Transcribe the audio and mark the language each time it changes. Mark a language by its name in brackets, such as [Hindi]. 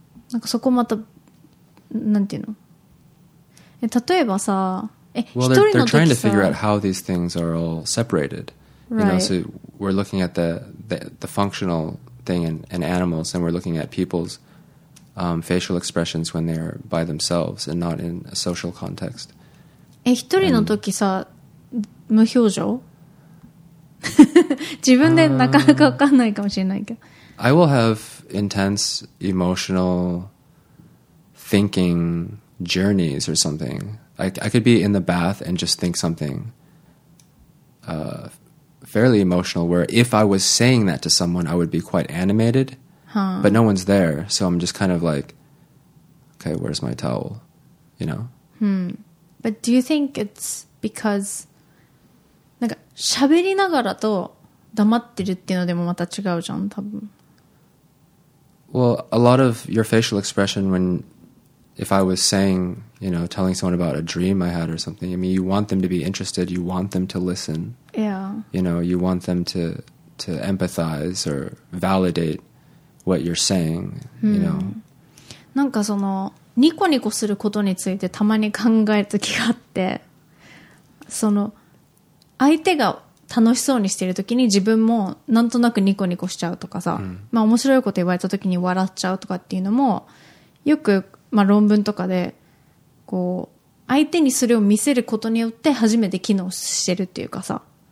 [Japanese] なんかそこまたなんていうの？例えばさ、 [English] Well, they're trying to figure out how these things are all separated. Right. You know, so we're looking at the functional thing in animals, and we're looking at people's facial expressions when they're by themselves and not in a social context. [Japanese] 一人の時さ。無表情自分でなかなか分かんないかもしれないけど、 [English] I will have intense emotional thinking journeys or something. I could be in the bath and just think something fairly emotional, where if I was saying that to someone, I would be quite animated. Huh. But no one's there, so I'm just kind of like, okay, where's my towel? You know? [Japanese] Hmm. [English] But do you think it's because, like, [Japanese] 喋りながらと黙ってるっていうのでもまた違うじゃん、多分。 [English] Well, a lot of your facial expression when, if I was saying, you know, telling someone about a dream I had or something, I mean, you want them to be interested, you want them to listen. Yeah. You know, you want them to empathize or validate what you're saying, you know. [Japanese] なんかそのニコニコすることについてたまに考える時があって、その相手が楽しそうにしている時に自分もなんとなくニコニコしちゃうとかさ、まあ面白いこと言われた時に笑っちゃうとかっていうのもよく、まあ、論文とかでこう相手にそれを見せることによって初めて機能してるっていうかさ、